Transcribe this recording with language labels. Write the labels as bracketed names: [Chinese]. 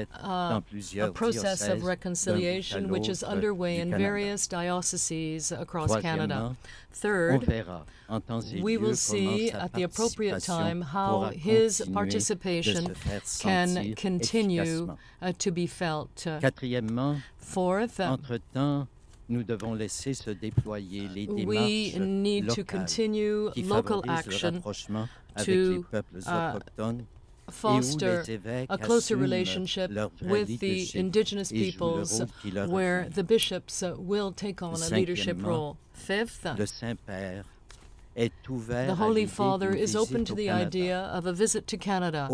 [English] a process of reconciliation which is underway in various dioceses across Canada. Third, [French] on verra, en temps et [English] we [French] lieu, [English] will see at the appropriate time how his participation can continue to be felt. [French] Quatrièmement, fourth, entre-temps, nous devons laisser se déployer les démarches locales qui favorisent le rapprochement avec les peuples autochtones. [English] Foster a closer relationship with the indigenous peoples where the bishops will take on a leadership role. [French] Fifth, le Saint-Père est ouvert [English] the Holy Father is open to the idea of a visit to Canada.